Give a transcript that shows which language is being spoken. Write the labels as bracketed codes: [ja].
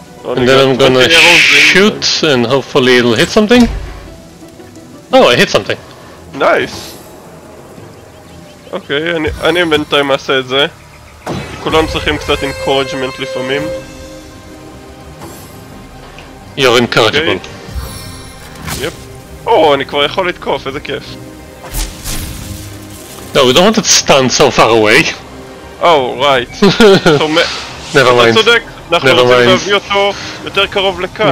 [en] And then I'm gonna shoot and hopefully it'll hit something. Oh, I hit something. Nice. [he] Okay, אני בינתיים אעשה את זה. כולם צריכים קצת encouragement לפעמים. [en] You're encouragable. Yep. [he] Oh, אני כבר יכול לתקוף, איזה כיף. [en] No, we don't want it to stand so far away. Oh, right. Never mind. [he] אתה צודק, אנחנו רוצים להביא אותו יותר קרוב לכאן.